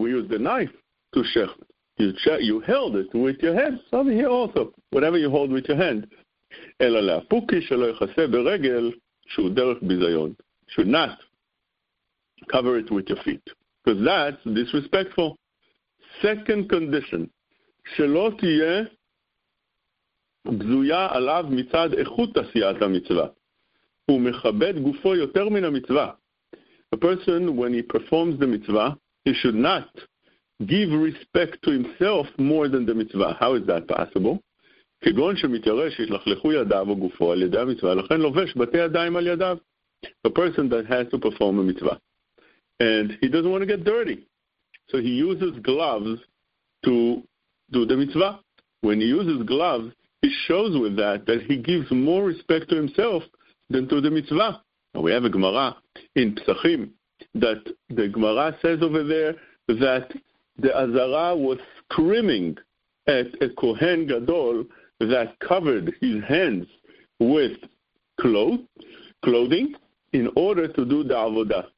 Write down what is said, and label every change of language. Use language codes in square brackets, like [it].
[en] We use the knife to shecht. You held it with your hand. So here also, whatever you hold with your hand, should not cover it with your feet, because that's disrespectful. Second condition, [he] שלא תהיה בזויה עליו מצד איכות עשיית המצווה. הוא מכבד גופו יותר מן המצווה. [en] A person, when he performs the mitzvah, he should not give respect to himself more than the mitzvah. How is that possible? [he] כגון שמתיירש ישלחלחו ידיו וגופו על ידי המצווה, לכן לובש בתי ידיים על ידיו. [en] A person that has to perform a mitzvah. And he doesn't want to get dirty. So he uses gloves to do the mitzvah. When he uses gloves, he shows with that that he gives more respect to himself than to the mitzvah. Now we have a Gemara in Psachim that the Gemara says over there that the Azara was screaming at a Kohen Gadol that covered his hands with clothing in order to do the Avodah.